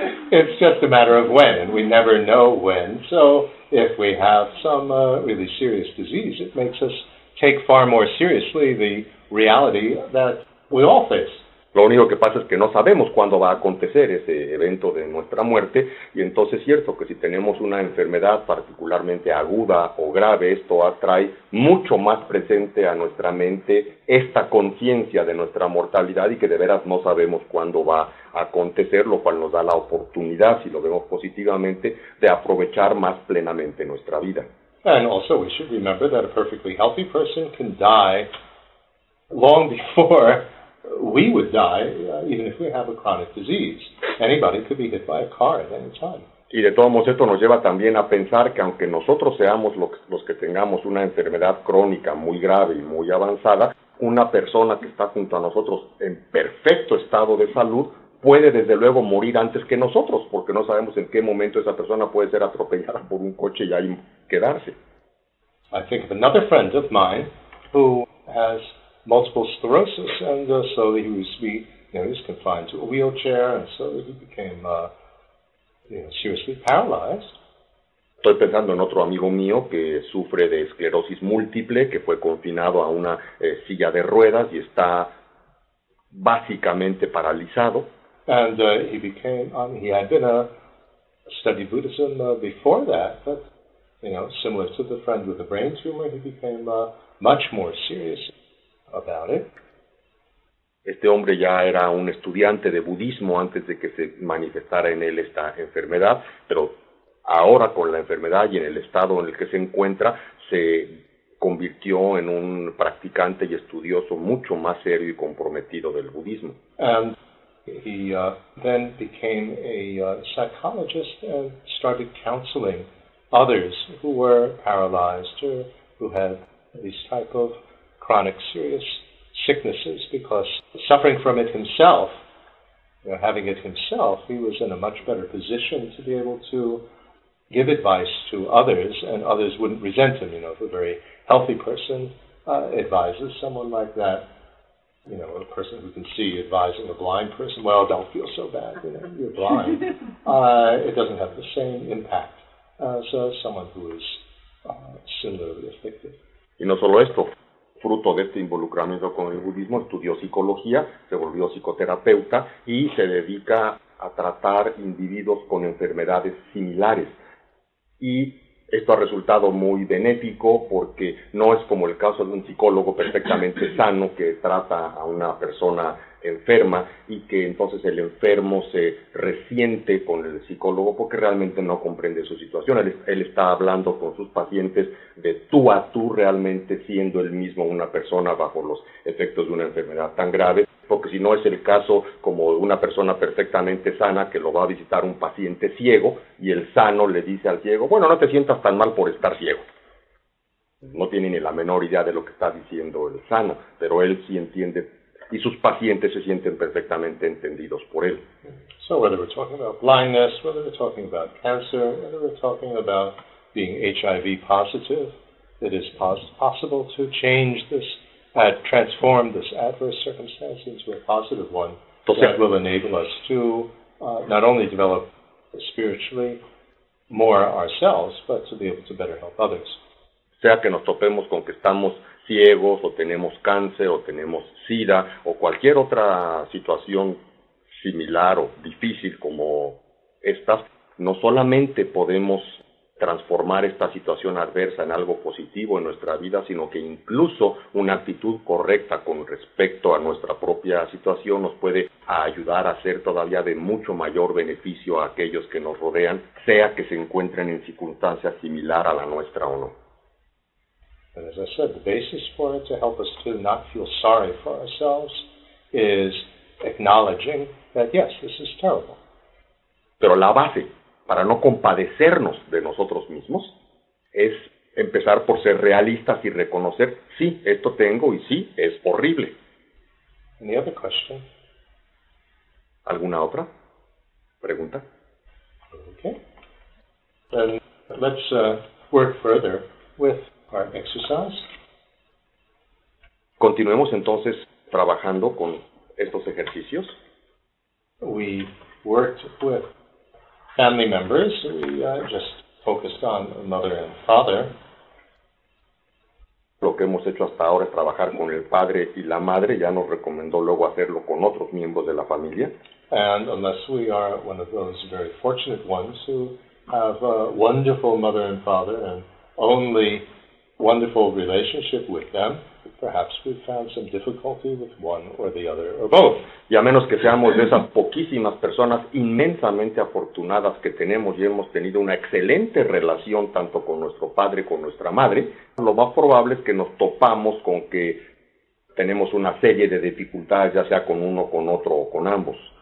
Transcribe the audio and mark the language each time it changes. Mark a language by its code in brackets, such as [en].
[en] It's just a matter of when, and we never know when. So if we have some really serious disease, it makes us take far more seriously the reality that we all face. [es] Lo único que pasa es que no sabemos cuándo va a acontecer ese evento de nuestra muerte, y entonces es cierto que si tenemos una enfermedad particularmente aguda o grave, esto atrae mucho más presente a nuestra mente esta conciencia de nuestra mortalidad y que de veras no sabemos cuándo va a acontecer, lo cual nos da la oportunidad, si lo vemos positivamente, de aprovechar más plenamente nuestra vida. [en] And also we should remember that a perfectly healthy person can die long before we would die, even if we have a chronic disease. Anybody could be hit by a car at any time. [es] Y de todos modos, esto nos lleva también a pensar que aunque nosotros seamos los que tengamos una enfermedad crónica muy grave y muy avanzada, una persona que está junto a nosotros en perfecto estado de salud puede desde luego morir antes que nosotros, porque no sabemos en qué momento esa persona puede ser atropellada por un coche y ahí quedarse. [en] I think of another friend of mine who has multiple sclerosis, and so he was confined to a wheelchair, and so he became seriously paralyzed. [es] Estoy pensando en otro amigo mío que sufre de esclerosis múltiple, que fue confinado a una silla de ruedas y está básicamente paralizado. [en] And he had been a study Buddhism before that, but similar to the friend with the brain tumor, he became much more serious about it. [es] Este hombre ya era un estudiante de budismo antes de que se manifestara en él esta enfermedad, pero ahora con la enfermedad y en el estado en el que se encuentra, se convirtió en un practicante y estudioso mucho más serio y comprometido del budismo. [en] And he then became a psychologist and started counseling others who were paralyzed or who had this type of chronic serious sicknesses, because suffering from it himself, having it himself, he was in a much better position to be able to give advice to others, and others wouldn't resent him. If a very healthy person advises someone like that, a person who can see advising a blind person, well, don't feel so bad, you're blind. It doesn't have the same impact as someone who is similarly afflicted. [es] Y no solo esto. Fruto de este involucramiento con el budismo, estudió psicología, se volvió psicoterapeuta y se dedica a tratar individuos con enfermedades similares. Y esto ha resultado muy benéfico porque no es como el caso de un psicólogo perfectamente sano que trata a una persona enferma y que entonces el enfermo se resiente con el psicólogo porque realmente no comprende su situación. Él está hablando con sus pacientes de tú a tú, realmente siendo él mismo una persona bajo los efectos de una enfermedad tan grave, porque si no es el caso como una persona perfectamente sana que lo va a visitar un paciente ciego y el sano le dice al ciego, bueno, no te sientas tan mal por estar ciego. No tiene ni la menor idea de lo que está diciendo el sano, pero él sí entiende y sus pacientes se sienten perfectamente entendidos por él. [en] So whether we're talking about blindness, whether we're talking about cancer, whether we're talking about being HIV positive, it is possible to change this, transform this adverse circumstance into a positive one. [es] Entonces, [en] that will enable us to not only develop spiritually more ourselves, but to be able to better help others. [es] Sea que nos topemos con que estamos ciegos, o tenemos cáncer, o tenemos sida, o cualquier otra situación similar o difícil como estas, no solamente podemos transformar esta situación adversa en algo positivo en nuestra vida, sino que incluso una actitud correcta con respecto a nuestra propia situación nos puede ayudar a ser todavía de mucho mayor beneficio a aquellos que nos rodean, sea que se encuentren en circunstancias similar a la nuestra o no. [en] And as I said, the basis for it to help us to not feel sorry for ourselves is acknowledging that, yes, this is terrible. [es] Pero la base para no compadecernos de nosotros mismos es empezar por ser realistas y reconocer, sí, esto tengo y sí, es horrible. [en] And the other question [es] ¿Alguna otra pregunta? [en] Okay. Then let's work further with our exercise. [es] Continuemos entonces trabajando con estos ejercicios. [en] We worked with family members. We just focused on mother and father. [es] Lo que hemos hecho hasta ahora es trabajar con el padre y la madre. Ya nos recomendó luego hacerlo con otros miembros de la familia. [en] And unless we are one of those very fortunate ones who have a wonderful mother and father and only wonderful relationship with them, perhaps we've found some difficulty with one or the other or both. [es] Y a menos que seamos de esas poquísimas personas inmensamente afortunadas que tenemos y hemos tenido una excelente relación tanto con nuestro padre como nuestra madre, lo más probable es que nos topamos con que tenemos una serie de dificultades, ya sea con uno, con otro o con ambos.